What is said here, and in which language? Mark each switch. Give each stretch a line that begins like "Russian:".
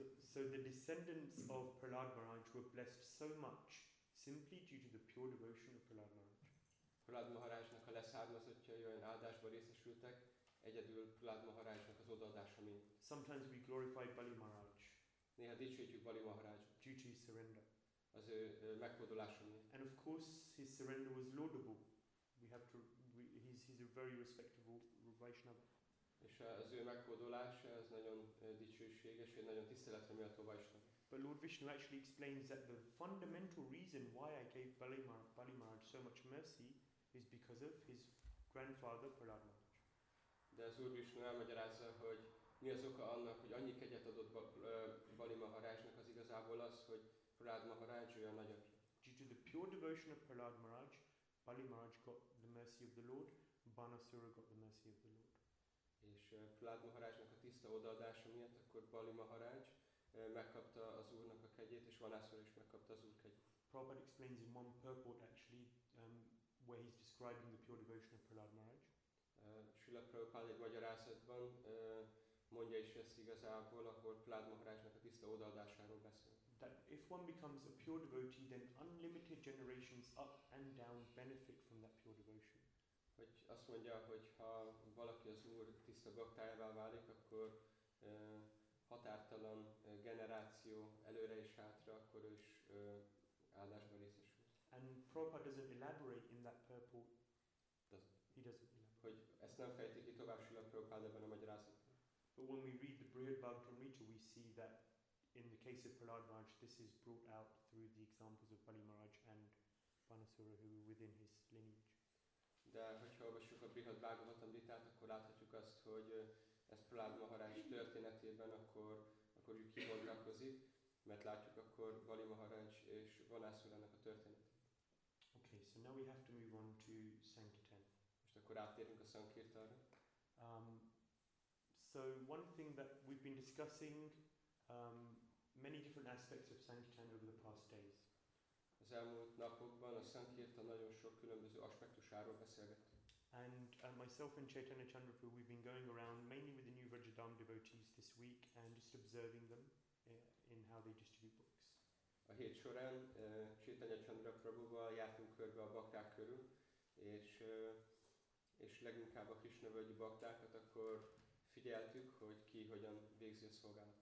English: So the descendants of Prahlad Maharaj were blessed so much simply due to the pure devotion of Prahlad Maharaj.
Hungarian: Prahlad Maharajnak a leszármazottjai olyan áldásba részesültek, egyedül Prahlad Maharajnak az odaadása miatt.
English: Sometimes we glorify Bali Maharaj.
Hungarian: Néha dicsőítjük Bali Maharajot.
English: Due to his surrender.
Hungarian: Az ő megfordulása miatt.
English: And of course his surrender was laudable. He's a very respectable Vaishnava.
Hungarian: És az ő megfordulása, ez nagyon dicsőséges, egy nagyon tiszteletre méltó Vaishnava.
English: But Lord Vishnu actually explains that the fundamental reason why I gave Bali Maharaj so much mercy is because of his grandfather Prahlad Maharaj.
Hungarian: De az Úr Vishnu elmagyarázza, hogy mi az oka annak, hogy annyi kegyet adott Bali Maharajnak, az igazából az, hogy Prahlad Maharaj olyan nagyapja.
English: Due to the pure devotion of Prahlad Maharaj, Bali Maharaj got the mercy of the Lord, Banasura got the mercy of the Lord.
Hungarian: És Prahlad Maharajnak a tiszta odaadása miatt, akkor Bali Maharaj megkapta az Úrnak a kegyét, és Banasura is megkapta az Úr kegyét.
English: Prabhupada explains in one purport actually, where he's describing the pure devotion of Prahlad Maharaj.
Hungarian: Srila Prabhupada egy magyarázatban mondja is ezt igazából, akkor Prahlad Maharajnak a tiszta odaadásáról beszél.
English: That if one becomes a pure devotee, then unlimited generations up and down benefit from that pure devotion.
Hungarian: Hogy azt mondja, hogy ha valaki az Úr tiszta baktájává válik, akkor határtalan generáció előre és hátra, akkor ő is áldásban részesül.
English: And Prabhupada doesn't elaborate in that purport. He doesn't elaborate.
Hungarian: Hogy ezt nem fejti ki tovább Srila Prabhupada ebben a magyarázatban.
English: But when we read the Brihad Bhagavatamrita, we see that in the case of Prahlad Maharaj, this is brought out through the examples of Bali Maharaj and Banasura, who were within his lineage.
Hungarian: De hogyha olvassuk a Brihad Bhagavatamritát, akkor láthatjuk azt, hogy ez Prahlad Maharaj történetében akkor ő kibontakozik, mert látjuk akkor Bali Maharaj és Banasura-nak a történetét.
English: Okay, so now we have to move on to Sankirtan.
Hungarian: Most akkor áttérünk a Sankirtanra.
English: So one thing that we've been discussing, many different aspects of Sankirtan over the past days.
Hungarian: Az elmúlt napokban a Sankirtan nagyon sok különböző aspektusáról beszélgettünk.
English: And myself and Chaitanya Chandrapur, we've been going around mainly with the new Vrajadham devotees. devotees this week and just observing them in how they distribute books.
Hungarian: A hét során Chaitanya Chandra Prabhuval jártunk körbe a bakták körül, és leginkább a Krisna-völgyi baktákat, akkor figyeltük, hogy ki hogyan végzi a szolgálat.